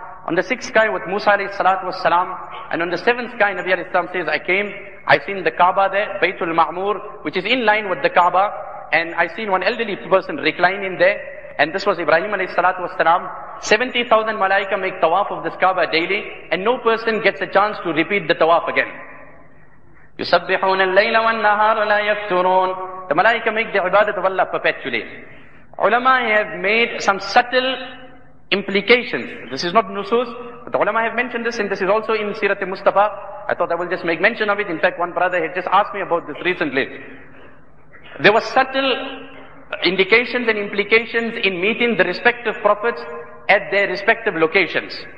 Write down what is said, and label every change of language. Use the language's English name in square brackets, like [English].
[English] On the sixth sky with Musa alayhi salatu was salam. And on the seventh sky, Nabi alayhi salam says, I came, I seen the Kaaba there, Baytul Ma'mur, which is in line with the Kaaba. And I seen one elderly person reclining there. And this was Ibrahim alayhi salatu was salam. 70,000 malaika make tawaf of this Kaaba daily. And no person gets a chance to repeat the tawaf again. [Arabic] يسبحون الليل والنهار لا يفترون. [English] The malaika make the ibadat of Allah perpetually. Ulama have made some subtle implications. This is not nusus, but the ulama have mentioned this, and this is also in Sirat Mustafa. I thought I will just make mention of it. In fact, one brother had just asked me about this recently. There were subtle indications and implications in meeting the respective prophets at their respective locations.